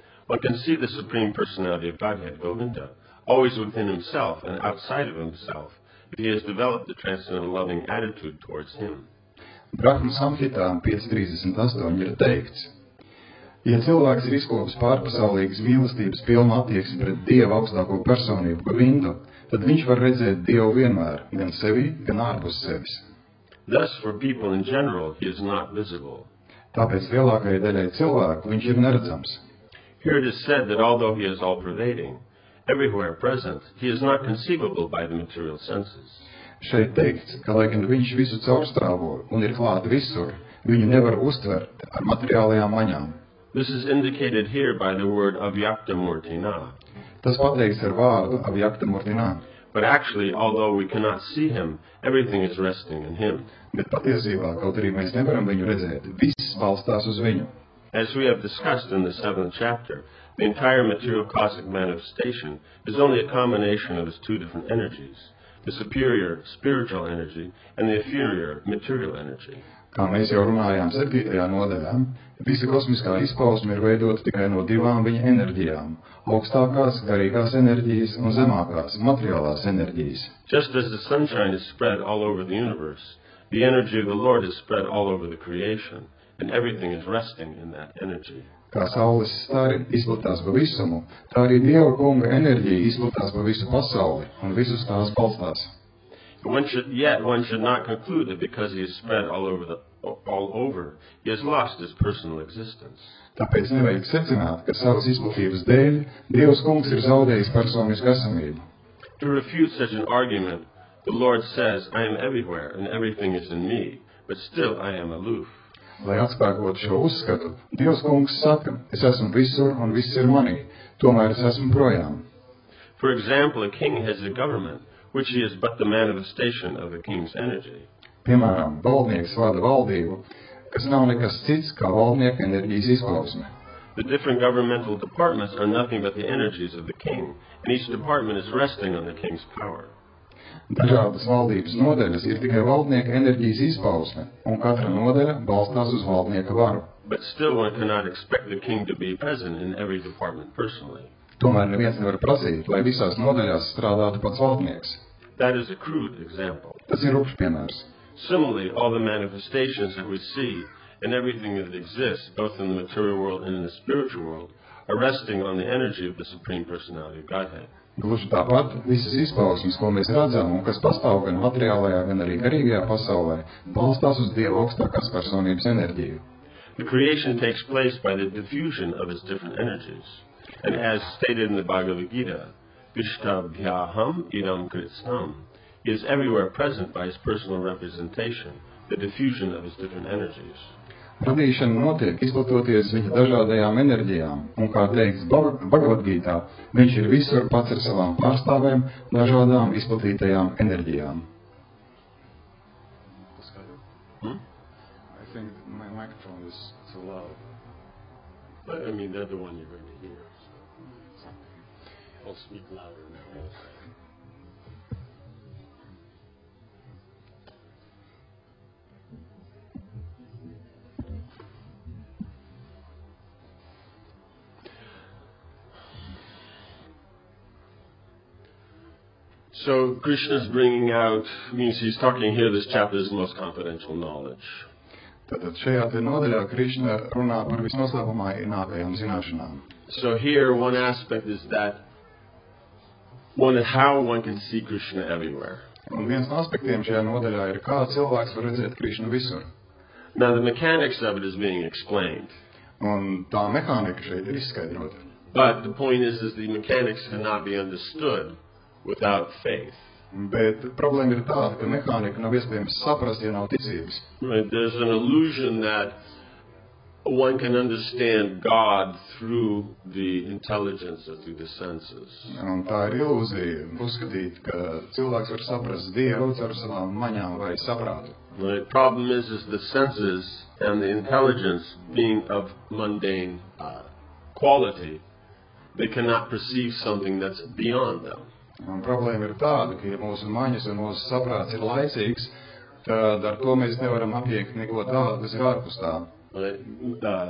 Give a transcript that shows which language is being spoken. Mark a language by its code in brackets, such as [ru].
[en] One can see the Supreme Personality of Godhead, Govinda, always within himself and outside of himself, if he has developed the transcendental loving attitude towards him. [lv] Brahma Samhita 5.38 ir teikts, ja cilvēks ir izkopis pārpasaulīgas mīlestības pilnu attieksmi pret Dievu augstāko personību Govindu, tad viņš var redzēt Dievu vienmēr, gan sevi, gan ārpus sevis. [en] Thus, for people in general, he is not visible. [lv] Tāpēc lielākajai daļai cilvēku viņš ir neredzams. [en] Here it is said that although he is all-pervading, everywhere present, he is not conceivable by the material senses. [lv] Šeit teikts, ka lai gan viņš visu caurstrāvo un ir klāt visur, viņu nevar uztvert ar materiālajām maņām. [en] This is indicated here by the word avyaktamurtinā. [lv] Tas pateikts ar vārdu avyaktamurtinā. [en] But actually, although we cannot see him, everything is resting in him. [lv] Bet patiesībā, kaut arī mēs nevaram viņu redzēt, viss balstās uz viņu. [en] As we have discussed in the 7th chapter, the entire material cosmic manifestation is only a combination of his two different energies, the superior spiritual energy and the inferior material energy. [lv] Kā mēs jau runājām 7. Nodaļā, visa kosmiskā izpausme ir veidota tikai no divām viņa enerģijām – augstākās garīgās enerģijas un zemākās materiālās enerģijas. [en] Just as the sunshine is spread all over the universe, the energy of the Lord is spread all over the creation, and everything is resting in that energy. [lv] Kā saules stari izplatās pa visumu, tā arī Dieva Kunga enerģija izplatās pa visu pasauli un visus tās balstās. [en] One should not conclude that because he is spread all over, he has lost his personal existence. [lv] Tāpēc nevajag secināt, ka savas izplatības dēļ Dievs Kungs ir zaudējis personisku esamību. [en] To refute such an argument, the Lord says, I am everywhere and everything is in me, but still I am aloof. [lv] Lai atspēkotu šo uzskatu, Dievs Kungs saka, es esmu visur un viss ir mani, tomēr es esmu projām. [en] For example, a king has a government, which he is but the manifestation of the king's energy. [lv] Piemēram, valdnieks vada valdību, kas nav nekas cits kā valdnieka enerģijas izpausme. [en] The different governmental departments are nothing but the energies of the king, and each department is resting on the king's power. [lv] Dažādas valdības nodaļas ir tikai valdnieka enerģijas izpausme, un katra nodaļa balstās uz valdnieka varu. [en] But still one cannot expect the king to be present in every department personally. [lv] Tomēr neviens nevar prasīt, lai visās nodaļās strādātu pats valdnieks. [en] That is a crude example. [lv] Tas ir rupšs piemērs. [en] Similarly, all the manifestations that we see and everything that exists, both in the material world and in the spiritual world, are resting on the energy of the Supreme Personality of Godhead. [lv] Gluži tāpat, visas izpausmes, ko mēs redzam un kas pastāv gan materiālajā, gan arī garīgajā pasaulē, balstās uz Dieva augstākās personības enerģiju. [en] The creation takes place by the diffusion of its different energies. And as stated in the Bhagavad Gita, [sa] Vishtabhyaham idam kritsnam, [en] he is everywhere present by his personal representation, the diffusion of his different energies. [lv] Radīšana notiek izplatoties viņa dažādajām enerģijām, un kā teiks Bhagavad Gita, viņš ir visur pats ar savām pārstāvēm dažādām izplatītajām enerģijām. [en] I think my microphone is too loud. But I mean, they're the one you're going to hear. I'll speak louder now. So Krishna's bringing out, means he's talking here, this chapter is the most confidential knowledge. [lv] Tātad šajā te nodaļā Krishna runā par visnoslēpumainākajām zināšanām. [en] So here one aspect is that one is how one can see Krishna everywhere. [lv] Un viens no aspektiem šajā nodaļā ir, kā cilvēks var redzēt Krishna visur. [en] Now the mechanics of it is being explained. [lv] Un tā mehānika šeit ir izskaidrota. [en] But the point is the mechanics cannot be understood without faith. [lv] Bet problēma ir tā, ka mehānika nav iespējams saprast, ja nav ticības. [en] Right, there's an illusion that one can understand God through the intelligence or through the senses. [lv] Un tā ir ilūzija uzskatīt, ka cilvēks var saprast Dievu caur savām maņām vai saprātu. [en] Right, problem is the senses and the intelligence being of mundane quality, they cannot perceive something that's beyond them. [lv] Un problēma ir tāda, ka ja mūsu maņas un mūsu saprāts ir laicīgs, tad ar to mēs nevaram apiekt neko tādu, kas ir ārpus tā.